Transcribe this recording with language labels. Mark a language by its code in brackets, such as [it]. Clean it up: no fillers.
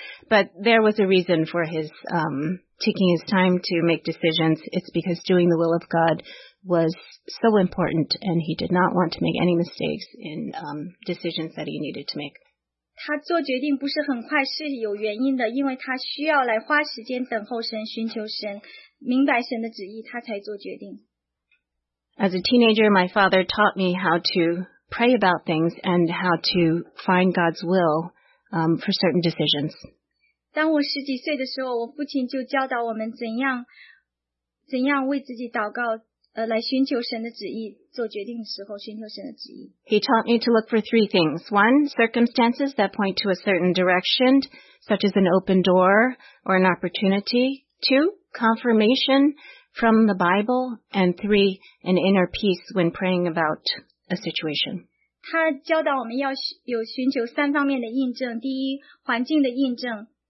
[en] But there was a reason for his taking his time to make decisions. It's because doing the will of God was so important, and he did not want to make any mistakes in decisions that he needed to make. [zh] 他做决定不是很快是有原因的，因为他需要来花时间等候神，寻求神，明白神的旨意，他才做决定。 [en] As a teenager, my father taught me how to pray about things and how to find God's will for certain decisions. [zh] 当我十几岁的时候，我父亲就教导我们怎样为自己祷告，来寻求神的旨意，做决定的时候寻求神的旨意。 [en] He taught me to look for three things. One, circumstances that point to a certain direction, such as an open door or an opportunity. Two, confirmation from the Bible. And three, an inner peace when praying about a situation. [zh] 他教导我们要有寻求三方面的印证。第一，环境的印证。